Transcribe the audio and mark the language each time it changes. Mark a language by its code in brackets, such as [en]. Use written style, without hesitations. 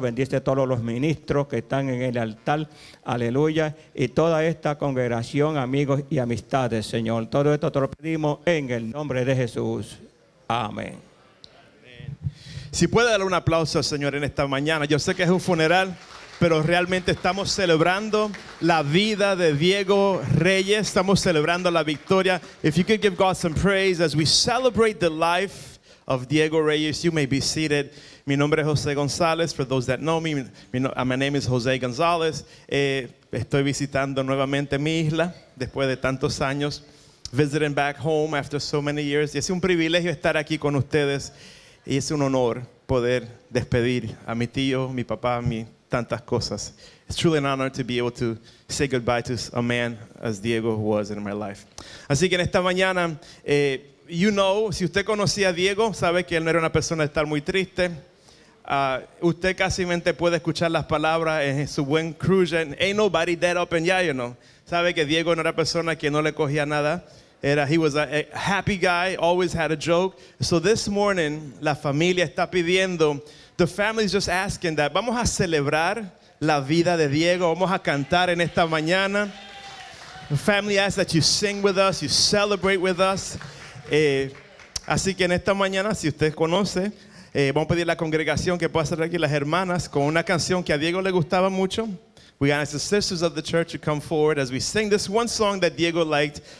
[es] Bendice a todos los ministros que están en el altar, aleluya, y toda esta congregación, amigos y amistades, Señor. Todo esto te lo pedimos en el nombre de Jesús. Amén. Si puede darle un aplauso al Señor en esta mañana. Yo sé que es un funeral, pero realmente estamos celebrando la vida de Diego Reyes. Estamos celebrando la victoria. [en] If you could give God some praise as we celebrate the life of Diego Reyes, you may be seated. [es] Mi nombre es José González. [en] For those that know me, my name is José González. [es] Estoy visitando nuevamente mi isla después de tantos años. [en] Visiting back home after so many years. [es] Y es un privilegio estar aquí con ustedes. Y es un honor poder despedir a mi tío, mi papá, mi tantas cosas. [en] It's truly an honor to be able to say goodbye to a man as Diego was in my life. [es] Así que en esta mañana, [en] you know, [es] si usted conocía a Diego, sabe que él no era una persona de estar muy triste. Usted casi mente puede escuchar las palabras en su buen cruising. [en] Ain't nobody dead up in ya, you know. [es] Sabe que Diego no era persona que no le cogía nada. [en] He was a happy guy, always had a joke. So this morning, [es] la familia está pidiendo, [en] the family is just asking that, [es] vamos a celebrar la vida de Diego, vamos a cantar en esta mañana. [en] The family asks that you sing with us, you celebrate with us. [es] Así que en esta mañana, si usted conoce, vamos a pedir a la congregación que pueda hacer aquí las hermanas con una canción que a Diego le gustaba mucho. [en] We ask the sisters of the church to come forward as we sing this one song that Diego liked.